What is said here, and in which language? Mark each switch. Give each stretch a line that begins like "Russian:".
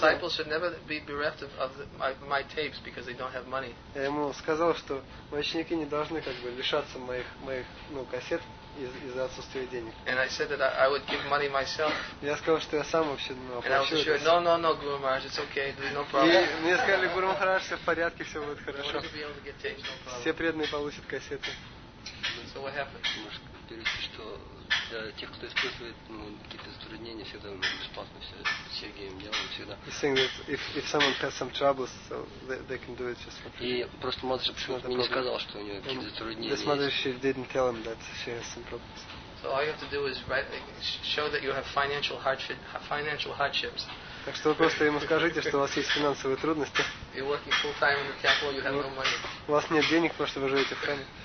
English: My disciples should never be bereft of my tapes because they don't have money.
Russian: Я ему сказал, что мои ученики не должны как бы лишаться моих ну кассет из-за отсутствия денег.
English: And I said that I would give money myself.
Russian: Я сказал, что я сам вообще
English: No, Guru Maharaj, it's okay, no problem.
Russian: И мне сказали, Гуру Махарадж, все в порядке, все будет хорошо.
English: Be able to get tapes, no problem.
Russian: Все преданные получат кассеты.
English: So what happened?
Russian: Что для тех, кто испытывает какие-то затруднения, всегда бесплатно все Сергеем делаем всегда.
English: He's saying that if someone has some troubles, so they can do it just for free.
Russian: И просто Матыш мне не сказал, что у него какие-то затруднения.
English: This mother, she didn't tell him that she has some problems. So all you have to do is show that you have financial hardships.
Russian: Так что вы просто ему скажите, что у вас есть финансовые трудности.
English: You're working full time in the temple, you have no money.
Russian: У вас нет денег, потому что вы живете в храме.